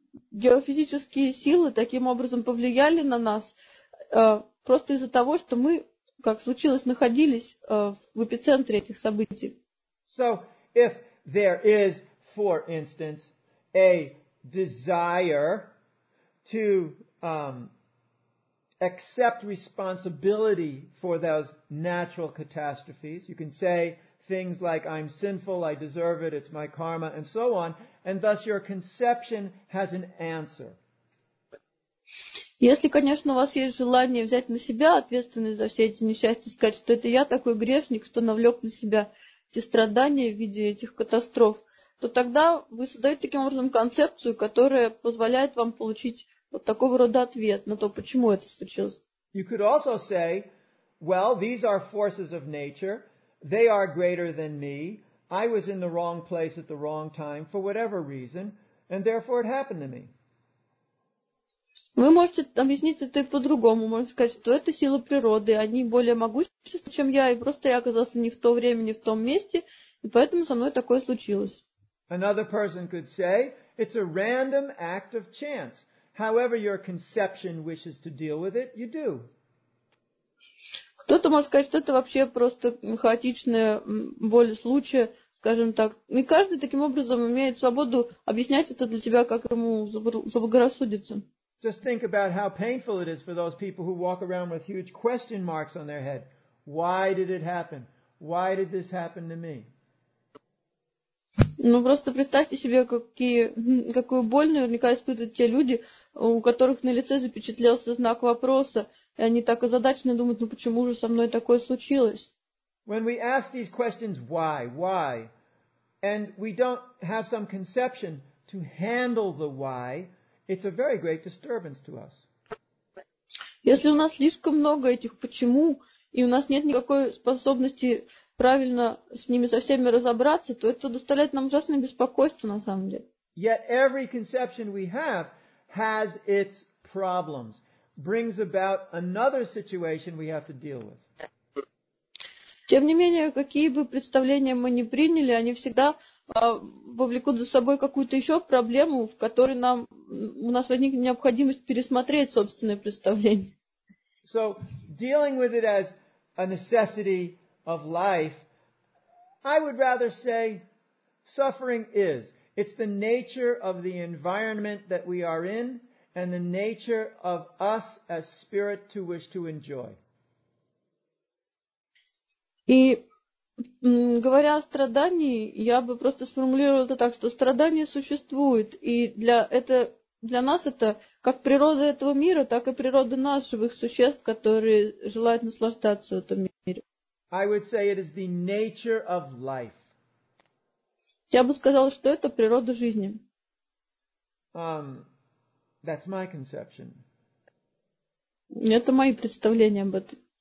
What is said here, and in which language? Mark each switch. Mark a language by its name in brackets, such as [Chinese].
[Russian] Геофизические силы таким образом повлияли на нас просто из-за того, что мы, как случилось, находились в эпицентре этих событий. [English] So, if there is, for instance, a desire to accept responsibility for those natural catastrophes, you can say things like, I'm sinful, I deserve it, it's my karma, and so on, and thus your conception has an answer. [Russian] Если, конечно, у вас есть желание взять на себя ответственность за все эти несчастья, сказать, что это я такой грешник, что навлек на себя эти страдания в виде этих катастроф, то тогда вы создаете таким образом концепцию, которая позволяет вам получить вот такого рода ответ на то, почему это случилось. [English] You could also say, well, these are forces of nature, they are greater than me. I was in the wrong place at the wrong time for whatever reason, and therefore it happened to me. [Russian] Вы можете объяснить это по-другому. Можно сказать, что это сила природы. Они более могущественны, чем я. И просто я оказался не в то время, не в том месте. И поэтому со мной такое случилось. [English] Another person could say, it's a random act of chance. However your conception wishes to deal with it, you do. [Russian] Кто-то может сказать, что это вообще просто хаотичная воля случая, скажем так. И каждый таким образом имеет свободу объяснять это для себя, как ему заблагорассудится. [English] Just think about how painful it is for those people who walk around with huge question marks on their head. Why did it happen? Why did this happen to me? [Russian] Ну, просто представьте себе, какую боль наверняка испытывают те люди, у которых на лице запечатлелся знак вопроса, и они так озадачены думают, ну почему же со мной такое случилось? [English] When we ask these questions, why, and we don't have some conception to handle the why, it's a very great disturbance to us. [Russian] Если у нас слишком много этих почему, и у нас нет никакой способности правильно с ними со всеми разобраться, то это доставляет нам ужасное беспокойство на самом деле. [English] Yet every conception we have has its problems, brings about another situation we have to deal with. [Russian] Тем не менее, какие бы представления мы ни приняли, они всегда повлекут за собой какую-то еще проблему, в которой нам у нас возникнет необходимость пересмотреть собственные представления. [English] So dealing with it as a necessity of life, I would rather say suffering is. It's the nature of the environment that we are in and the nature of us as spirit to wish to enjoy. [Russian] И говоря о страдании, я бы просто сформулировал это так, что страдание существует, и для нас это как природа этого мира, так и природа нас, живых существ, которые желают наслаждаться в этом мире. [English] I would say it is the nature of life. [Russian] Я бы сказала, что это природа жизни. [English] That's my conception. [Russian] Это мои представления об этом.